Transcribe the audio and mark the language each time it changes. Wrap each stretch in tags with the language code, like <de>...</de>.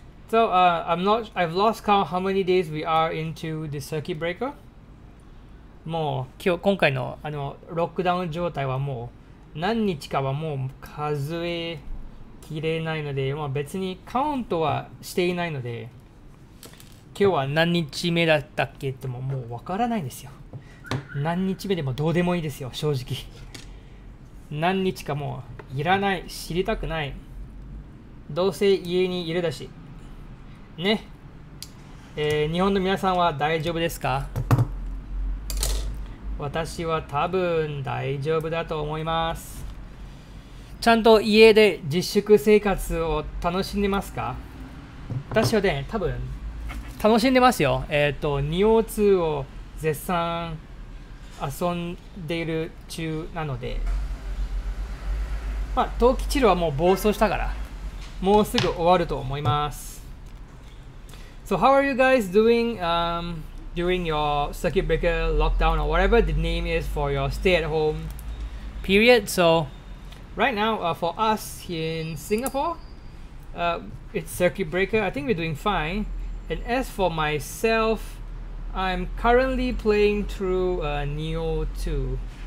<en>So, I've lost count how many days we are into the circuit breaker.</en> <ja>もう今回のロックダウン状態はもう何日かはもう数えきれないので、まあ、別にカウントはしていないので、今日は何日目だったっけってももうわからないんですよ。何日目でもどうでもいいですよ、正直。何日かもういらない、知りたくない。どうせ家にいるだし。ね、日本の皆さんは大丈夫ですか？私は多分大丈夫だと思います。ちゃんと家で自粛生活を楽しんでますか？私はね、多分楽しんでますよ。ニオ2を絶賛遊んでいる中なので、まあ陶器チルはもう暴走したから、もうすぐ終わると思います。</ja> <en>So how are you guys doing during your circuit breaker lockdown or whatever the name is for your stay at home period? So right now for us in Singapore, it's circuit breaker. I think we're doing fine. And as for myself, I'm currently playing through Nioh 2.</en>